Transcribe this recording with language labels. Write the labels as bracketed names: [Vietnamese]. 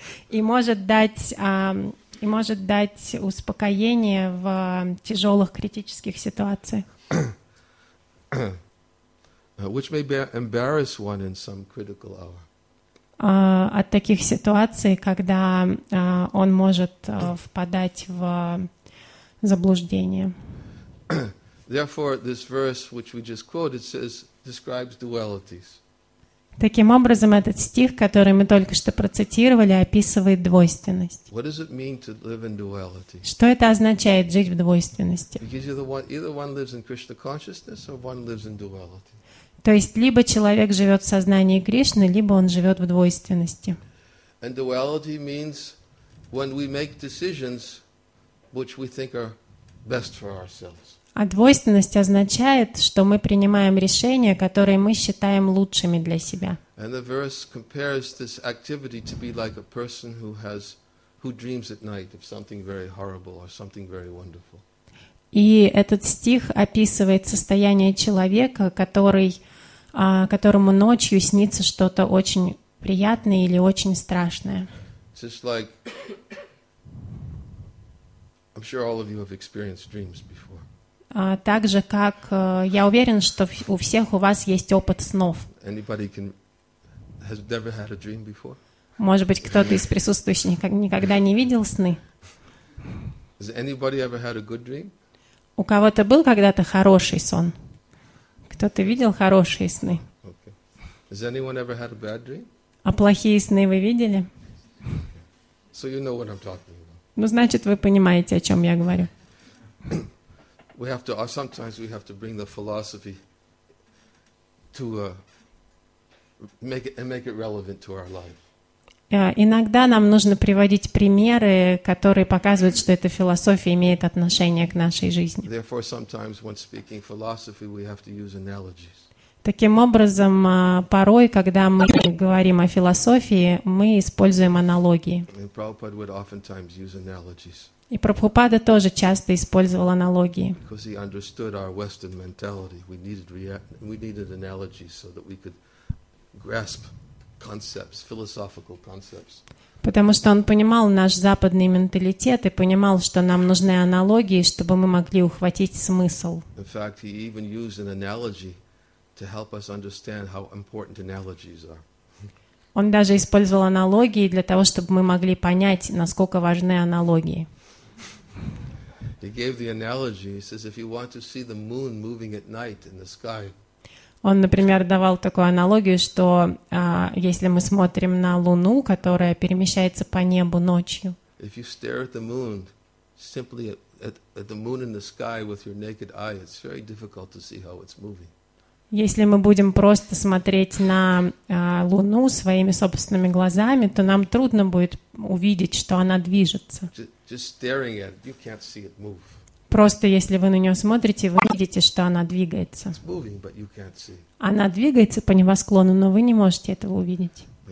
[Russian] И может дать успокоение в тяжелых критических ситуациях. [English] Which may embarrass one in some critical hour. [Russian] От таких ситуаций, когда он может впадать в заблуждение. [English] Therefore, this verse, which we just quoted, says, describes dualities. [Russian] Таким образом, этот стих, который мы только что процитировали, описывает двойственность. [English] What does it mean to live in duality? [Russian] Что это означает жить в двойственности? [English] Because either one lives in Krishna consciousness, or one lives in duality. [Russian] То есть либо человек живет в сознании Кришны, либо он живет в двойственности. [English] And duality means when we make decisions which we think are best for ourselves. [Russian] А двойственность означает, что мы принимаем решения, которые мы считаем лучшими для себя. [English] And the verse compares this activity to be like a person who dreams at night of something very horrible or something very wonderful. [Russian] И этот стих описывает состояние человека, которому ночью снится что-то очень приятное или очень страшное. [English] Just like, I'm sure all of you have experienced dreams before. [Russian] Так же, как я уверен, что у всех у вас есть опыт снов. [English] Anybody has never had a dream before? [Russian] Может быть, кто-то из присутствующих никогда не видел сны? [English] Has anybody ever had a good dream? [Russian] У кого-то был когда-то хороший сон? Кто-то видел хорошие сны? [English] Okay. Has anyone ever had a bad dream? [Russian] А плохие сны вы видели? [English] So you know what I'm talking about. [Russian] Ну, значит, вы понимаете, о чем я говорю. [English] We have to, or sometimes we have to bring the philosophy to make it relevant to our life. [Russian] Иногда нам нужно приводить примеры, которые показывают, что эта философия имеет отношение к нашей жизни. [English] Therefore, sometimes when speaking philosophy, we have to use analogies. [Russian] Таким образом, порой, когда мы говорим о философии, мы используем аналогии. [English] And Prabhupada would oftentimes use analogies. [Russian] И Прабхупада тоже часто использовал аналогии. [English] Because he understood our Western mentality, we needed analogies so that we could grasp. Concepts, philosophical concepts. [Russian] Потому что он понимал наш западный менталитет и понимал, что нам нужны аналогии, чтобы мы могли ухватить смысл. [English] In fact, he even used an analogy to help us understand how important analogies are. [Russian] Он даже использовал аналогии для того, чтобы мы могли понять, насколько важны аналогии. [English] He gave the analogy. He says, if you want to see the moon moving at night in the sky. [Russian] Он, например, давал такую аналогию, что если мы смотрим на Луну, которая перемещается по небу ночью, если мы будем просто смотреть на Луну своими собственными глазами, то нам трудно будет увидеть, что она движется. [English] Just staring at it, you can't see it move. [Russian] Просто если вы на нее смотрите, вы видите, что она двигается. [English] It's moving, but you can't see. [Russian] Она двигается по небосклону, но вы не можете этого увидеть.